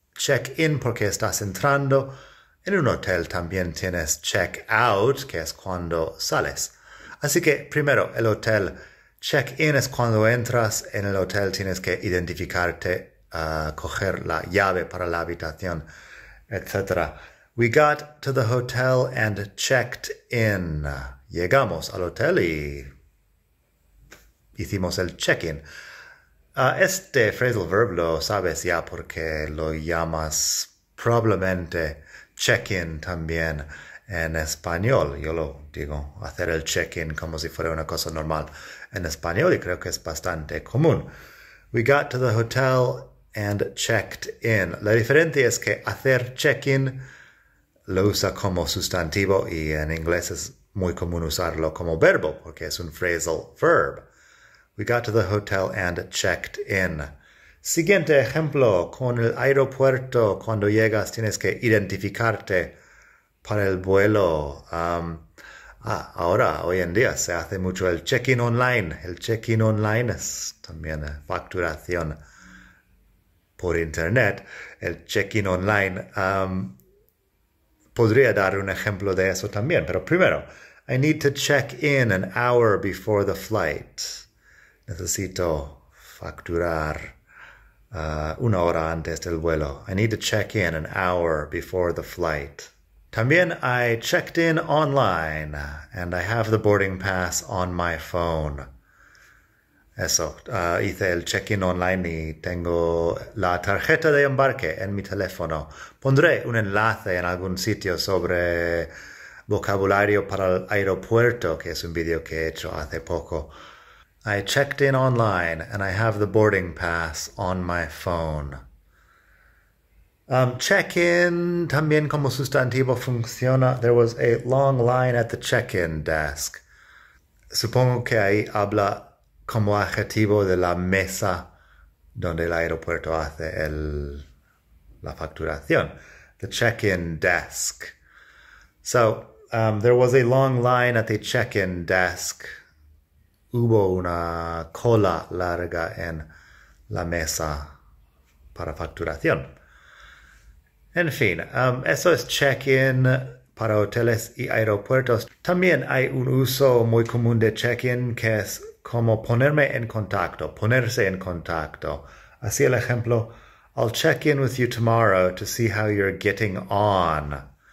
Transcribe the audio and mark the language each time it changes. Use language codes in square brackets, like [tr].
[es] Check-in porque estás entrando. En un hotel también tienes check-out, que es cuando sales. Así que primero el hotel. Check-in es cuando entras en el hotel, tienes que identificarte, coger la llave para la habitación, etc. [en] We got to the hotel and checked in. [es] Llegamos al hotel y hicimos el check-in. Este phrasal verb lo sabes ya porque lo llamas probablemente check-in también. En español, yo lo digo, hacer el check-in como si fuera una cosa normal en español y creo que es bastante común. [en] We got to the hotel and checked in. [es] La diferencia es que hacer check-in lo usa como sustantivo y en inglés es muy común usarlo como verbo porque es un phrasal verb. [en] We got to the hotel and checked in. [es] Siguiente ejemplo, con el aeropuerto, cuando llegas tienes que identificarte. Para el vuelo. Ahora, hoy en día, se hace mucho el check-in online. El check-in online es también facturación por internet. El check-in online. Podría dar un ejemplo de eso también. Pero primero, [en] I need to check in an hour before the flight. [es] Necesito facturar una hora antes del vuelo. [en] I need to check in an hour before the flight. [es] También [en] I checked in online and I have the boarding pass on my phone. [es] Eso, hice el check-in online y tengo la tarjeta de embarque en mi teléfono. Pondré un enlace en algún sitio sobre vocabulario para el aeropuerto, que es un vídeo que he hecho hace poco. [en] I checked in online and I have the boarding pass on my phone. [es] Check-in también como sustantivo funciona. [en] There was a long line at the check-in desk. [es] Supongo que ahí habla como adjetivo de la mesa donde el aeropuerto hace la facturación. [en] The check-in desk. So, there was a long line at the check-in desk. [es] Hubo una cola larga en la mesa para facturación. En fin, eso es check-in para hoteles y aeropuertos. También hay un uso muy común de check-in que es como ponerme en contacto, ponerse en contacto. Así el ejemplo, [en] I'll check in with you tomorrow to see how you're getting on.